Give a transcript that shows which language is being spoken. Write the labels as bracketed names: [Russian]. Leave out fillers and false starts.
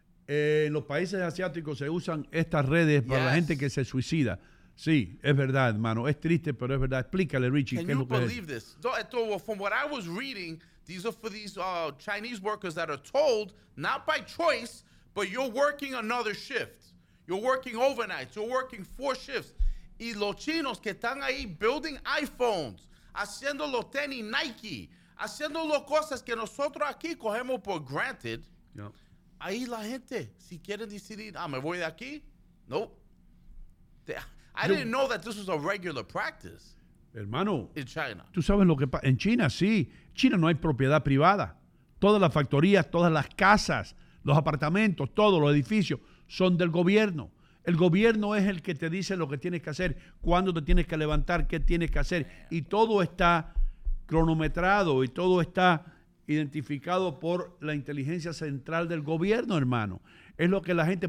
[Spanish] En los países asiáticos se usan estas redes para la gente que se suicida. Sí, es verdad, hermano. Es triste, pero es verdad. Explícale, Richie, qué es lo que es. [English] Can you believe this? Well, from what I was reading, these are for these Chinese workers that are told, not by choice, but you're working another shift. You're working overnight. You're working four shifts. [Spanish] Y los chinos que están ahí [English] building iPhones, [Spanish] haciendo los tenis Nike, haciendo las cosas que nosotros aquí cogemos por granted. Yep. Ahí la gente, si quieren decidir, me voy de aquí. Nope. [English] I didn't know that this was a regular practice. [Spanish] Hermano, [English] in China. [Spanish] Tú sabes lo que pasa. En China, sí. China no hay propiedad privada. Todas las factorías, todas las casas, los apartamentos, todos los edificios son del gobierno. El gobierno es el que te dice lo que tienes que hacer, cuándo te tienes que levantar, qué tienes que hacer. Y todo está cronometrado y todo está identificado por la inteligencia central del gobierno, hermano. Es lo que la gente...